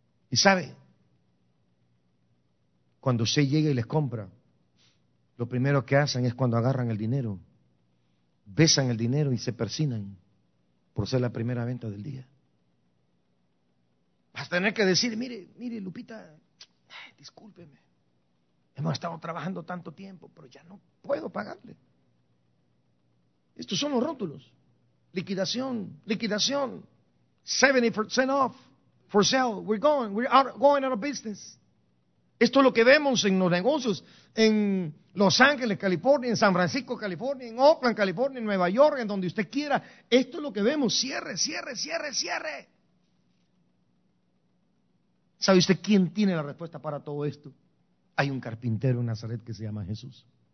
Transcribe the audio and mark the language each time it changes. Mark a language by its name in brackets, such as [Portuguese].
[Spanish] Y sabe, cuando usted llega y les compra, lo primero que hacen es cuando agarran el dinero, besan el dinero y se persinan por ser la primera venta del día. Vas a tener que decir, mire Lupita, discúlpeme, hemos estado trabajando tanto tiempo, pero ya no puedo pagarle. Estos son los rótulos. Liquidación, [English] 70% off, for sale, we're going out of business. [Spanish] Esto es lo que vemos en los negocios, en Los Ángeles, California, en San Francisco, California, en Oakland, California, en Nueva York, en donde usted quiera. Esto es lo que vemos. Cierre, cierre, cierre, cierre. ¿Sabe usted quién tiene la respuesta para todo esto? Hay un carpintero en Nazaret que se llama Jesús.